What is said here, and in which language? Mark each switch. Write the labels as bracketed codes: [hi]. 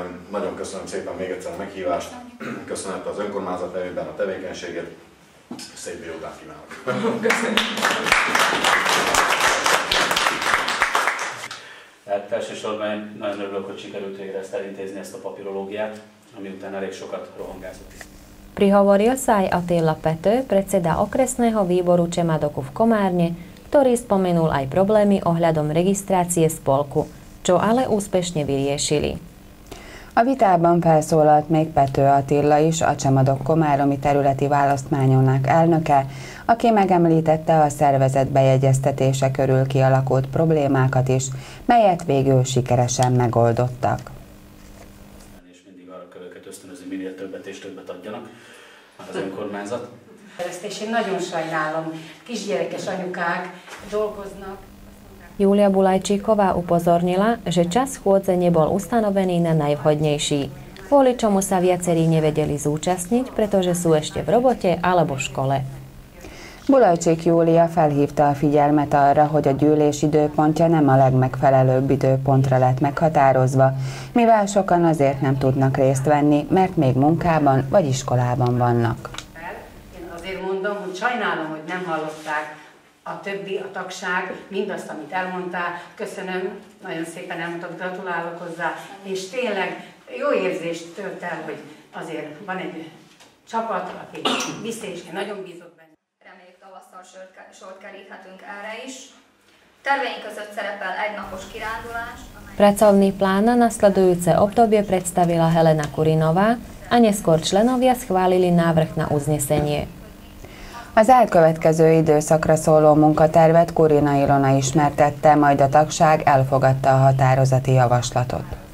[hu] Nagyon köszönöm szépen még egyszer a meghívást, köszönöm az önkormányzat nevében a tevékenységet, szép délután kívánok! Köszönöm! Hát elsősorban nagyon örülök, hogy sikerült végre ezt elintézni, ezt a papírológiát, ami után elég sokat rohangázott. [sk] Prihovoril sa aj Attila Pető, predseda okresného výboru Čemadoku v Komárne, ktorý spomenul aj problémy ohľadom registrácie spolku, čo ale úspešne vyriešili. [hu] A vitában felszólalt még Pető Attila is, a Csemadok komáromi területi választmányának elnöke, aki megemlítette a szervezet bejegyeztetése körül kialakult problémákat is, melyet végül sikeresen megoldottak. És mindig arra kell őket ösztönözni, minél többet és többet adjanak az önkormányzat. És én nagyon sajnálom, kisgyerekes anyukák dolgoznak. [sk] Júlia Bulajčíková upozornila, že čas chôdze nebol ustanovený na najvhodnejší, kvôli čomu sa viacerí nevedeli zúčastniť, pretože sú ešte v robote alebo v škole. [hu] Bulajčík Júlia felhívta a figyelmet arra, hogy a gyűlés időpontja nem a legmegfelelőbb időpontra lett meghatározva, mivel sokan azért nem tudnak részt venni, mert még munkában vagy iskolában vannak. Én azért mondom, hogy sajnálom, hogy nem hallották a többi, a tagság, mindazt, amit elmondtál, köszönöm, nagyon szépen elmondtok, gratulálok hozzá, és tényleg jó érzést tölt el, hogy azért van egy csapat, aki viszi, és én nagyon bízok benne. Reméljük, tavasszal sort keríthetünk erre is. Terveink között szerepel egynapos kirándulás. [sk] Pracovný plán na nasledujúce obdobie predstavila Helena Kurinová, a neskôr členovia schválili návrh na uznesenie. [hu] Az elkövetkező időszakra szóló munkatervet Kurina Ilona ismertette, majd a tagság elfogadta a határozati javaslatot.